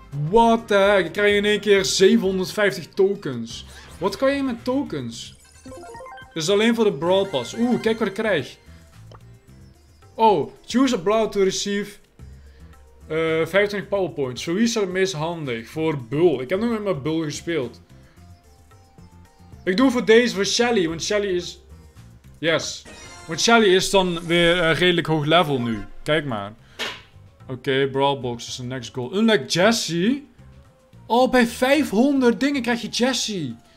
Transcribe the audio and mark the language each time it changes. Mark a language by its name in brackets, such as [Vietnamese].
[English] What the heck? [Dutch] Je krijgt in één keer 750 tokens. Wat kan je met tokens? Dus alleen voor de Brawl Pass. Oeh, kijk wat ik krijg. [English] Oh, choose a Brawl to receive 25 power points. [Dutch] Voor wie is dat het meest handig? Voor Bull. Ik heb nog met mijn Bull gespeeld. Ik doe voor deze voor Shelly, want Shelly is... Yes. Want Shelly is dan weer redelijk hoog level nu. Kijk maar. Oké, Brawl Box is de next goal. Unlock Jesse. Oh, bij 500 dingen krijg je Jesse.